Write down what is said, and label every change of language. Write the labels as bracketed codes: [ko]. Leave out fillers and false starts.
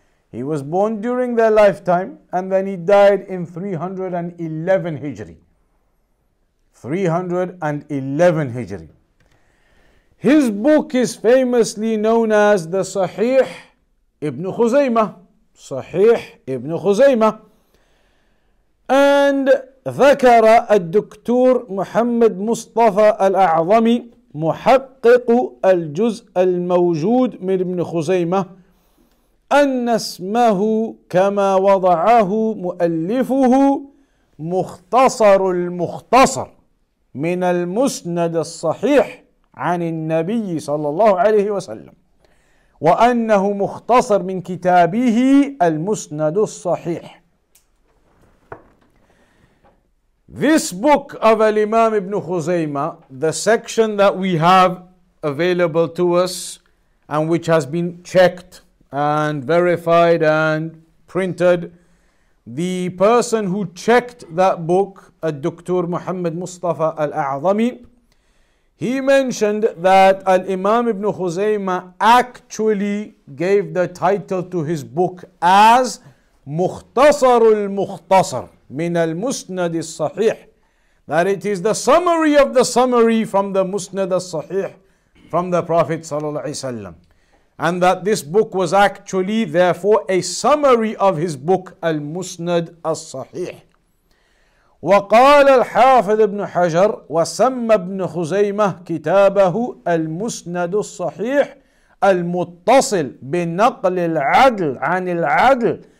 [en] He was born during their lifetime, and then he died in 311 Hijri. 311 Hijri. His book is famously known as the Sahih Ibn Khuzaymah. Sahih Ibn Khuzaymah. [ar] And ذكر الدكتور محمد مصطفى الأعظمي محقق الجزء الموجود من ابن خزيمة أن اسمه كما وضعه مؤلفه مختصر المختصر من المسند الصحيح عن النبي صلى الله عليه وسلم وأنه مختصر من كتابه المسند الصحيح. [en] This book of Al-Imam Ibn Khuzaymah, the section that we have available to us and which has been checked and verified and printed, the person who checked that book, Dr. Muhammad Mustafa Al-A'zami, he mentioned that Al-Imam Ibn Khuzaymah actually gave the title to his book as Mukhtasar al-Mukhtasar min al-Musnad al-Sahih, that it is the summary of the summary from the Musnad al-Sahih from the Prophet sallallahu alaihi wasallam. And that this book was actually, therefore, a summary of his book, Al-Musnad al-Sahih. [ar] وقال الحافظ ابن حجر وسمى ابن خزيمة كتابه المسند الصحيح المتصل بنقل العدل عن العدل